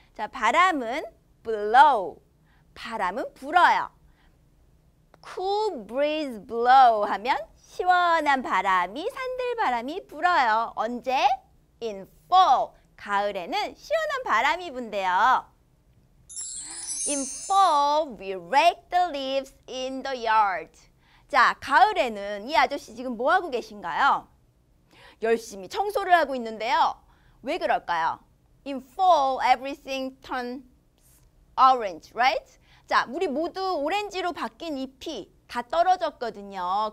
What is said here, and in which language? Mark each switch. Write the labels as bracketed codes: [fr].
[ko] 자, 바람은 blow. 바람은 불어요. [en] Cool breeze blow [ko] 하면 시원한 바람이 산들바람이 불어요. 언제? [en] In fall. [ko] 가을에는 시원한 바람이 분대요. [en] In fall, we rake the leaves in the yard. [ko] 자, 가을에는 이 아저씨 지금 뭐 하고 계신가요? 열심히 청소를 하고 있는데요. 왜 그럴까요? [en] In fall, everything turns orange, right? [ko] 자, 우리 모두 오렌지로 바뀐 잎이 다 떨어졌거든요.